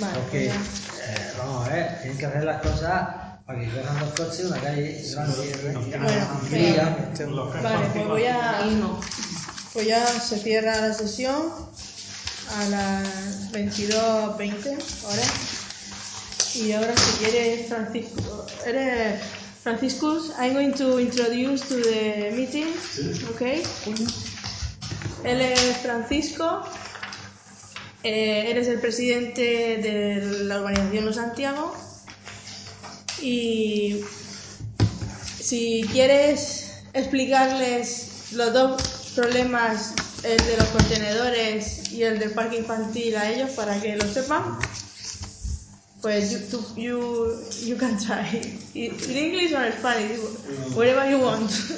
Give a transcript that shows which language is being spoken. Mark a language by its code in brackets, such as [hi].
[es] Vale, porque, vamos a ver, tienen que hacer las cosas para que cojan los coches y una calle. Sí, bueno, sí, vale, pues voy a irnos. Pues ya se cierra la sesión a las 22:20 horas. Y ahora, si quieres, Francisco, eres. [en] Francisco, I'm going to introduce to the meeting, okay? [es] Él es Francisco, él es el presidente de la urbanización Los Santiago y si quieres explicarles los dos problemas, el de los contenedores y el del parque infantil a ellos para que lo sepan. [en] Well, you can try in English or Spanish, whatever you want.